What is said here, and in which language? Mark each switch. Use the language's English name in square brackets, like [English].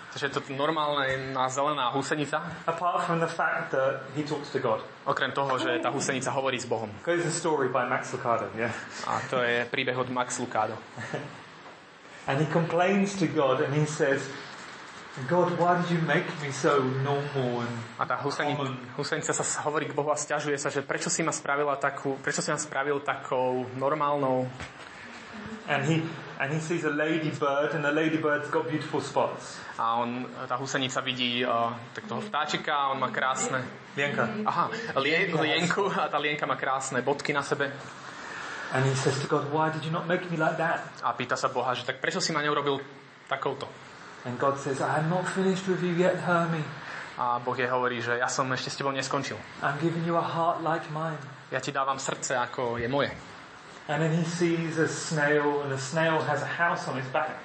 [Slovak] Takže to normálne na zelená husenica. [English] Apart from the fact that he talks to God. [Slovak] Okrem toho, že tá husenica hovorí s Bohom. [English] Because it's a story by Max Lucado, yeah. [Slovak] A to je príbeh od Max Lucado. [English] And he complains to God and he says, God, why did you make me so normal and common? [Slovak] A tá husenica sa hovorí k Bohu a sťažuje sa, že prečo si ma spravila takú, prečo si ma spravil takou normálnou. [English] And he sees a ladybird and the ladybird's got beautiful spots. [Slovak] A on tá husenica vidí tak toho vtáčika, on má krásne lienka. Aha, lienku a tá lienka má krásne bodky na sebe. [English] And he says to God, why did you not make me like that? [Slovak] A pýta sa Boha, že tak prečo si ma neurobil takouto? [English] And God says, I am not finished with you yet, Hermie. [Slovak] A Boh je hovorí, že ja som ešte s tebou neskončil. [English] I'm giving you a heart like mine. [Slovak] Ja ti dávam srdce, ako je moje. [English] And then he sees a snail, and the snail has a house on its back.